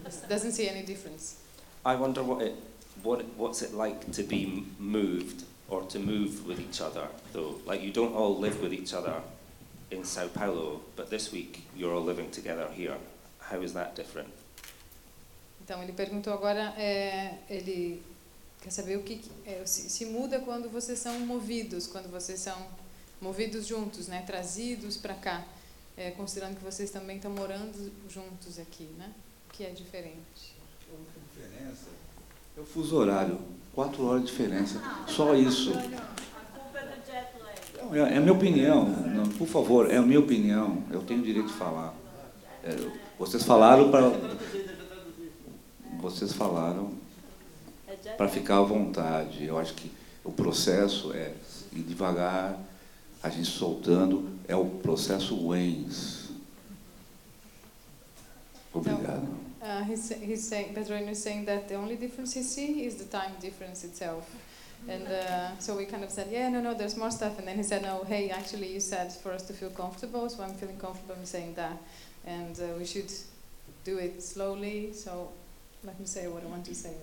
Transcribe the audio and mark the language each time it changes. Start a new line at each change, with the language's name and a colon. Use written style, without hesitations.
English: Doesn't see any difference. I wonder what's it like to be moved or to move with each other, though. Like, you don't all live with each other in Sao Paulo, but this week you're all living together here. How is that different?
Portuguese: Então ele perguntou agora, ele quer saber o que se muda quando vocês são movidos, quando vocês são movidos juntos, né, trazidos para cá, considerando que vocês também estão morando juntos aqui, né? O que é diferente? A única diferença é o fuso horário, 4 horas de diferença, só isso. A culpa é do jet lag. É a minha opinião, não, por favor, é a minha opinião, eu tenho o direito de falar. Vocês falaram para ficar à vontade. Eu acho que o processo é ir devagar, a gente soltando, é o processo Wains. Obrigado.
English: Então, he's saying, Petronio is saying that the only difference he sees is the time difference itself. And so we kind of said, yeah, no, there's more stuff. And then he said, no, hey, actually you said for us to feel comfortable, so I'm feeling comfortable in saying that. And we should do it slowly, so let me say what I want to say.